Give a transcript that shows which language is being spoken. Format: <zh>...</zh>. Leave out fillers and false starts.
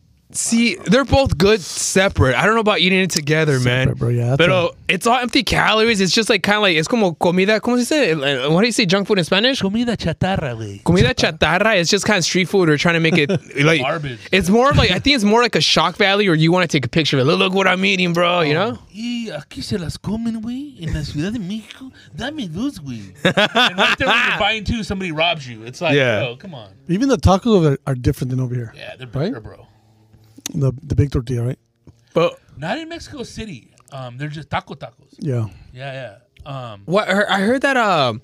<en>See, they're both good separate. I don't know about eating it together, separate, man. Bro, yeah, but it's all empty calories. It's just like kind of like, it's</en> <es>como comida, ¿cómo se dice?</es> <en>What do you say, junk food in Spanish?</en> <es>Comida chatarra, güey.</es> <en>Comida chatarra is just kind of street food. We're trying to make it like garbage. It's more of like, I think it's more like a shock value, or you want to take a picture of it. Look what I'm eating, bro, you know?</en> <es>Y aquí se las comen, güey, en la Ciudad de México. Dame luz, güey.</es> <en>And right there when you're buying two, somebody robs you. It's like, yeah. Bro, come on. Even the tacos over there are different than over here. Yeah, they're better, right? Bro. The big tortilla, right? But not in Mexico City. They're just tacos. Yeah. What I heard that</en>